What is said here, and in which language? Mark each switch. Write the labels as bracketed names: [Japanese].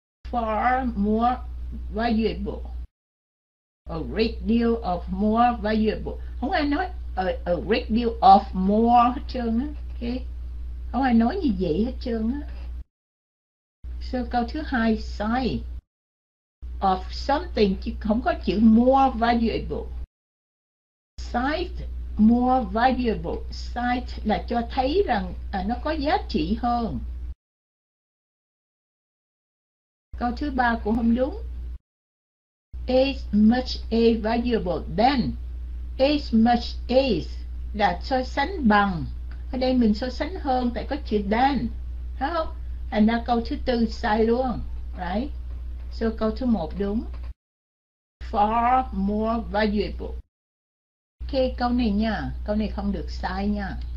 [English] Far more valuable, a great deal of more valuable. [Vietnamese] Không ai nói [English] a great deal of more [Vietnamese] hết trơn á, okay. Không ai nói như vậy hết trơn á. So câu thứ hai, [English] size of something, [Vietnamese] chứ không có chữ more valuable. [English] Sight more valuable. [Vietnamese] Sight là cho thấy rằng nó có giá trị hơn. Câu thứ ba cũng không đúng. [English] As much as valuable than. As much as [Vietnamese] là so sánh bằng. Ở đây mình so sánh hơn tại có chữ than. Thấy không? [English] And now [Vietnamese] câu thứ tư sai luôn. [English] Right? So [Vietnamese] câu thứ một đúng. [English] Far more valuable. [Vietnamese] Ok, câu này nha. Câu này không được sai nha.